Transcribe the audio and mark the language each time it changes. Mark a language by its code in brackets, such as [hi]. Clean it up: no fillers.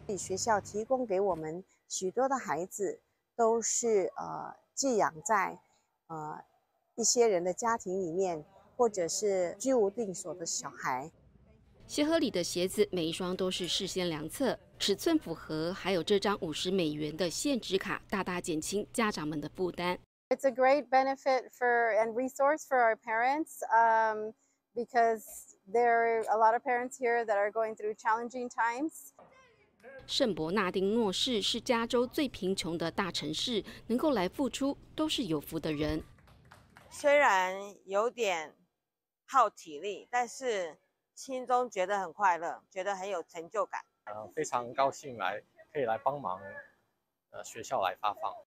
[zh] 学校提供给我们许多的孩子都是寄养在一些人的家庭里面，或者是居无定所的小孩。鞋盒里的鞋子每一双都是事先量测尺寸符合，还有这张50美元的限值卡，大大减轻家长们的负担。 [en] It's a great benefit for and resource for our parents, because there are a lot of parents here that are going through challenging times. [zh] 圣伯纳丁诺市是加州最贫穷的大城市，能够来付出都是有福的人。虽然有点耗体力，但是心中觉得很快乐，觉得很有成就感。非常高兴来可以来帮忙，学校来发放。